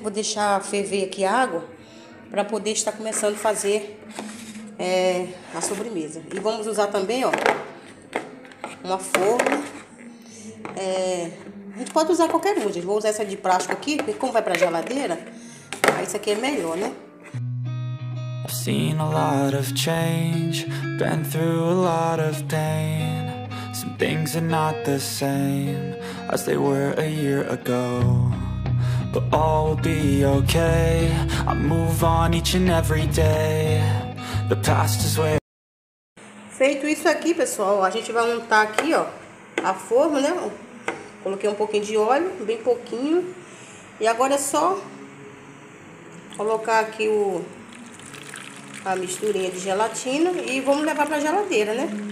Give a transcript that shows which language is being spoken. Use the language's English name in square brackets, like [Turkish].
[Portuguese] Vou deixar ferver aqui a água pra poder estar começando a fazer a sobremesa. E vamos usar também, ó, uma forma. A gente pode usar qualquer um, gente. Vou usar essa de plástico aqui, porque como vai pra geladeira, aí isso aqui é melhor, né? [English] I've seen a lot of change, been through a lot of pain. Some things are not the same as they were a year ago. But all will be okay. I move on each and every day. The past is where. [Portuguese] Feito isso aqui, pessoal, a gente vai untar aqui, ó, a forma, né? Coloquei um pouquinho de óleo, bem pouquinho. E agora é só colocar aqui a misturinha de gelatina e vamos levar pra geladeira, né?